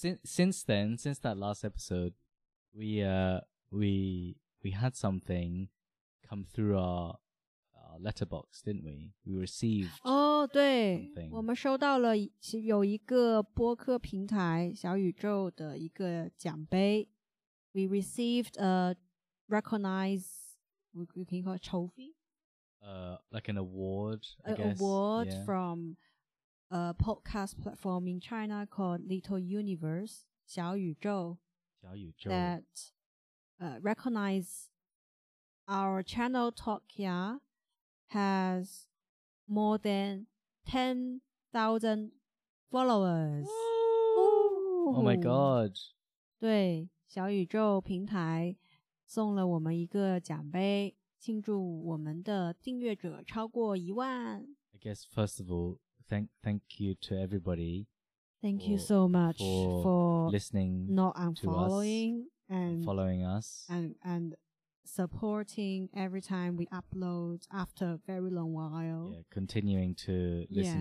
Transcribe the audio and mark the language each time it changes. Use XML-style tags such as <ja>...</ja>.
<en>since that last episode, we had something come through our letterbox, didn't we? We received.</en> <zh>Oh, 对，我们收到了有一个播客平台小宇宙的一个奖杯。</zh> <en>We received a recognized, we can call it trophy. Like an award. Award from a podcast platform in China called Little Universe, 小宇宙。</en> <zh>小宇宙。</zh> <en>That recognize our channel talk here. Has more than 10,000 followers. Ooh. Oh my god.</en> <zh>对，小宇宙平台送了我们一个奖杯，庆祝我们的订阅者超过一万。</zh> <en>I guess first of all, thank you to everybody. Thank you so much for listening, not unfollowing, and following us. And supporting every time we upload after a very long while. Yeah, continuing to listen</en>